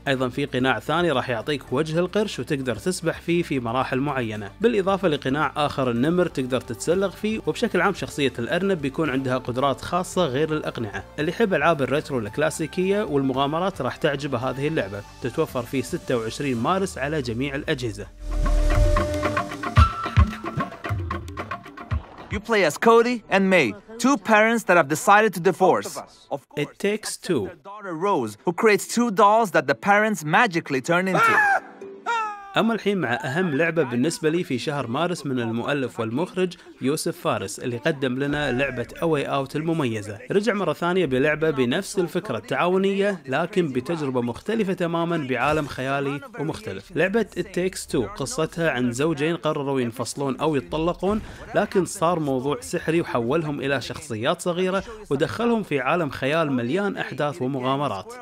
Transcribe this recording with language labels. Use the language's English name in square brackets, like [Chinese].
[Arabic] ايضا في قناع ثاني راح يعطيك وجه القرش وتقدر تسبح فيه في مراحل معينة، بالاضافة لقناع اخر النمر تقدر تتسلق فيه. وبشكل عام شخصية الارنب بيكون عندها قدرات خاصة غير الاقنعة. اللي يحب العاب الريترو الكلاسيكية والمغامرات راح تعجبه هذه اللعبة. تتوفر في 26 مارس على جميع الأجهزة. [English] You play as Cody and May, two parents that have decided to divorce. Of course, it takes two. Daughter Rose, who creates two dolls that the parents magically turn into. [Arabic] أما الحين مع أهم لعبة بالنسبة لي في شهر مارس من المؤلف والمخرج يوسف فارس اللي قدم لنا لعبة Away Out المميزة. رجع مرة ثانية بلعبة بنفس الفكرة التعاونية لكن بتجربة مختلفة تماما بعالم خيالي ومختلف. لعبة It Takes Two قصتها عن زوجين قرروا ينفصلون أو يتطلقون، لكن صار موضوع سحري وحولهم إلى شخصيات صغيرة ودخلهم في عالم خيال مليان أحداث ومغامرات.